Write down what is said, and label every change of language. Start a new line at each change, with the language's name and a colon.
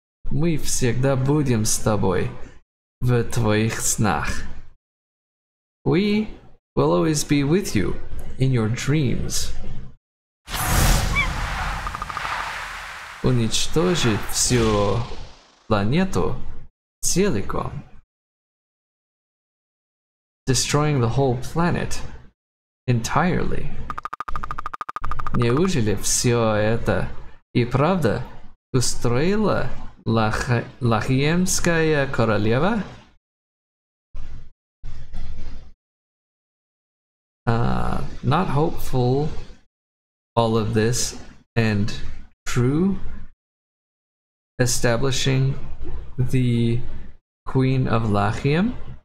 Russian: Мы всегда будем с тобой в твоих снах.
English: We will always be with you in your dreams.
Russian: Уничтожить всю планету. Целиком.
English: destroying the whole planet entirely.
Russian: Неужели все это и правда устроила Лахиемская королева?
English: Not hopeful all of this and true establishing the Queen of Lachium.